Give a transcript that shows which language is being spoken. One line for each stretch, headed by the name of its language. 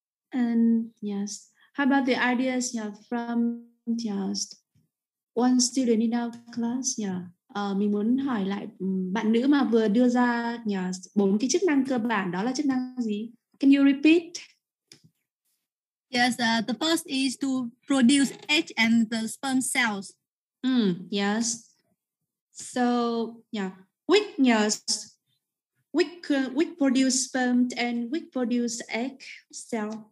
English: and yes, how about the ideas from just one student in our class?
Vietnamese: Mình muốn hỏi lại bạn nữ mà vừa đưa ra bốn cái chức năng cơ bản, đó là chức năng gì?
English: Can you repeat? Yes, the first is to produce egg and the sperm cells. Yes. So yeah, which yes, which produce sperm and which produce egg cell?